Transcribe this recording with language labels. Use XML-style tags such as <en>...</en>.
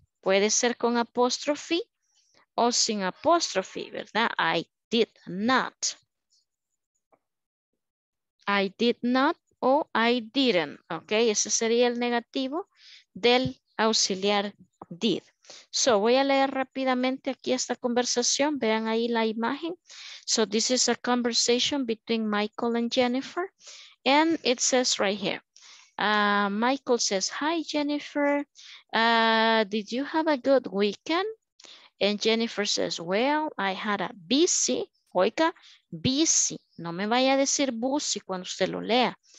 <es>Puede ser con apóstrofe o sin apóstrofe, ¿verdad?</es> <en>I did not. I did not</en> <es>o</es> <en>I didn't.</en> <es>¿Ok? Ese sería el negativo del auxiliar did. So, voy a leer rápidamente aquí esta conversación. Vean ahí la imagen.</es> <en>So, this is a conversation between Michael and Jennifer. And it says right here. Michael says, hi, Jennifer. Did you have a good weekend? And Jennifer says, well, I had a busy, oiga, busy.</en> <es>No me vaya a decir busy cuando usted lo lea.</es>